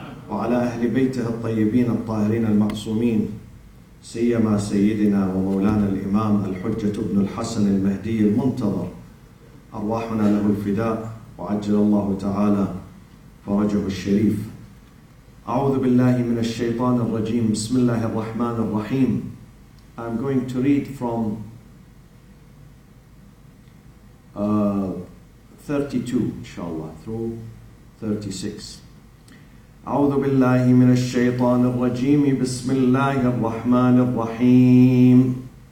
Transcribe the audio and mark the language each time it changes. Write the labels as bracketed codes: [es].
[ar] وعلى أهل بيته الطيبين الطاهرين المعصومين سيما سيدنا ومولانا الإمام الحجة ابن الحسن المهدي المنتظر أرواحنا له الفداء وعجل الله تعالى فرجه الشريف. أعوذ بالله من الشيطان الرجيم. بسم الله الرحمن الرحيم. [en] I'm going to read from 32 [ar] إن شاء الله [en] through 36. [ar] أعوذ بالله من الشيطان الرجيم. بسم الله الرحمن الرحيم.